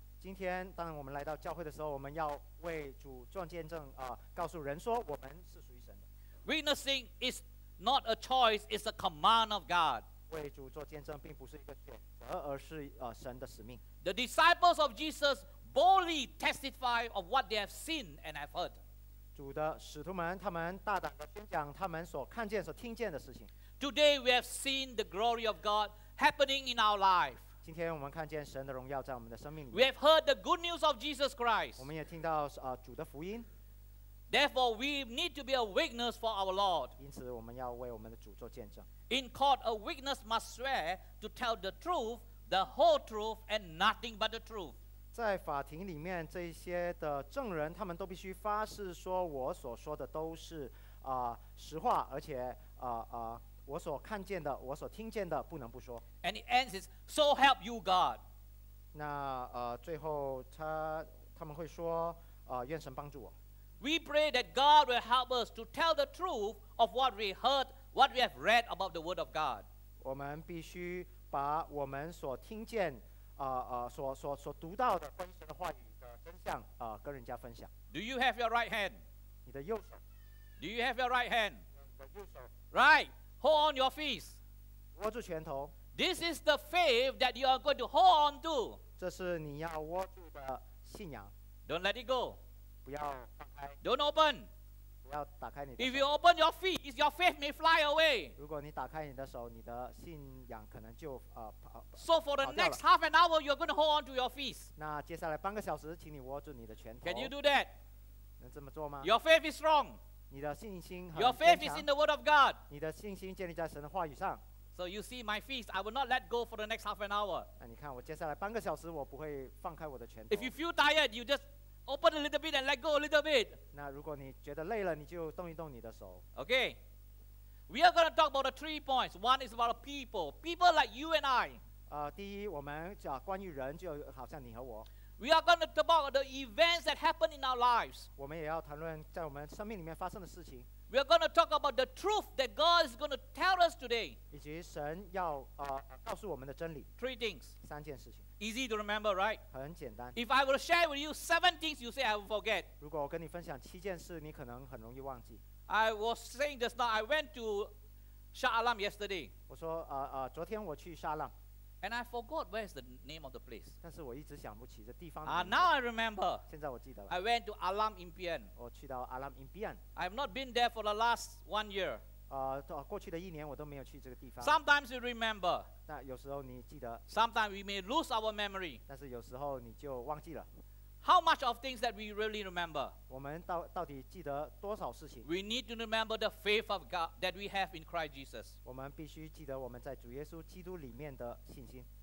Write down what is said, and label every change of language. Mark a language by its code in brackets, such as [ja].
[zh] 今天当我们来到教会的时候我们要为主做见证告诉人说我们是属于神的 [en] Witnessing isNot a choice, it's a command of God. [zh] 为主做见证并不是一个选择，而是神的使命。 [en] The disciples of Jesus boldly testify of what they have seen and have heard. [zh] 主的使徒们，他们大胆地宣讲他们所看见、所听见的事情。 [en] Today we have seen the glory of God happening in our life. [zh] 今天我们看见神的荣耀在我们的生命里。 [en] We have heard the good news of Jesus Christ. [zh] 我们也听到主的福音。 [en] Therefore, we need to be a witness for our Lord. [zh] 因此，我们要为我们的主做见证。 [en] In court, a witness must swear to tell the truth, the whole truth, and nothing but the truth. [zh] 在法庭里面，这些的证人，他们都必须发誓说，我所说的都是实话，而且我所看见的，我所听见的，不能不说。 [en] And it ends is, "So help you, God." [zh] 那最后他们会说，愿神帮助我。 [en] We pray that God will help us to tell the truth of what we heard, what we have read about the Word of God. [zh] 我们必须把我们所听见、所读到的关于神的话语的真相、跟人家分享。 [en] Do you have your right hand? [zh] 你的右手。 [en] Do you have your right hand? [zh] 你的右手。 [en] Right. Hold on your fist. [zh] 握住拳头。 [en] This is the faith that you are going to hold on to. [zh] 这是你要握住的信仰。 [en] Don't let it go. [zh] 不要放开 [en] Don't open. [zh] 不要打开你的 [en] 手 If you open your feet, your faith may fly away. [zh] 如果你打开你的手，你的信仰可能就 [en] So for the next half an hour, you're going to hold on to your feet. [zh] 那接下来半个小时，请你握住你的拳头。 [en] Can you do that? [zh] 能这么做吗 [en] ？Your faith is strong. [zh] 你的信心很坚强。 [en] Your faith is in the word of God. [zh] 你的信心建立在神的话语上。 [en] So you see my feet, I will not let go for the next half an hour. [zh] 那你看，我接下来半个小时，我不会放开我的拳头。 [en] If you feel tired, you just open a little bit and let go a little bit. [zh] 那如果你觉得累了，你就动一动你的手。 [en] Okay, we are going to talk about the three points. One is about people like you and I. [zh] 第一，我们讲关于人，就好像你和我。 [en] We are going to talk about the events that happen in our lives. [zh] 我们也要谈论在我们生命里面发生的事情。 [en] We are going to talk about the truth that God is going to tell us today. [zh] 以及神要告诉我们的真理。 [en] Three things. [zh] 三件事情。 [en] Easy to remember, right? [zh] 很简单。 [en] If I were to share with you seven things, you say I will forget. [zh] 如果我跟你分享七件事，你可能很容易忘记。 [en] I was saying just now, I went to Shah Alam yesterday. [zh] 我说昨天我去沙朗。 [en] And I forgot where is the name of the place. [zh] 但是我一直想不起这地方。 [en] Now I remember. [zh] 现在我记得了。 [en] I went to Alam Impian. [zh] 我去到 Alam Impian. [en] I have not been there for the last 1 year. [zh] 过去的一年我都没有去这个地方。 [en] Sometimes you remember. [zh] 那有时候你记得。 [en] Sometimes we may lose our memory. [zh] 但是有时候你就忘记了。 [en] How much of things that we really remember? [zh] 我们到底记得多少事情？ [en] We need to remember the faith of God that we have in Christ Jesus. [zh] 我们必须记得我们在主耶稣基督里面的信心。